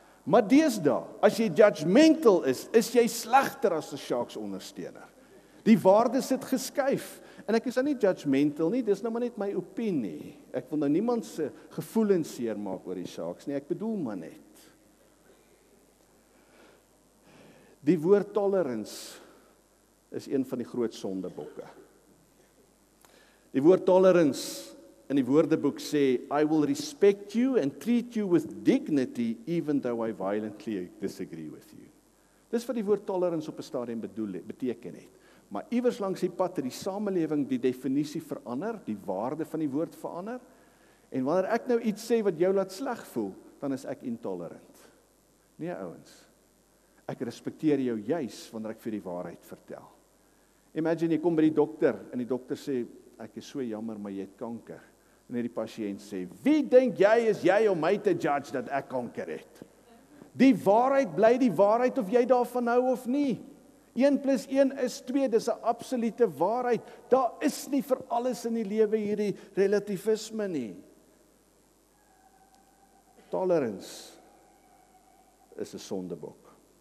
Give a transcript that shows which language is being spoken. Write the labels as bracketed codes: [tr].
[af] Maar deesdae, as jy judgmental is, is jy slegter as die sharks ondersteuner. Die waarde sit geskuif. En ek is nou nie judgmental nie, dis nou maar net my opinie. Ek wil nou niemand se gevoelens seer maak oor die saaks nie, ek bedoel maar net. Die woord tolerance is een van die groot sondebokke. Die woord tolerance in die woordeboek sê, [en] I will respect you and treat you with dignity, even though I violently disagree with you. [af] Dis wat die woord tolerance op een stadium beteken het. Maar iewers langs die pad het die samenleving die definisie verander, die waarde van die woord verander, en wanneer ek nou iets sê wat jou laat sleg voel, dan is ek intolerant. Nee, ouwens, ek respecteer jou juis, wanneer ek vir die waarheid vertel. Imagine, jy kom by die dokter, en die dokter sê, ek is so jammer, maar jy het kanker. En die patiënt sê, wie denk jy is jy om my te judge dat ek kanker het? Die waarheid, bly die waarheid of jy daarvan hou of nie. 1 plus 1 is 2, dis een absolute waarheid. Daar is nie vir alles in die lewe hierdie relativisme nie. Tolerance is een sondebok.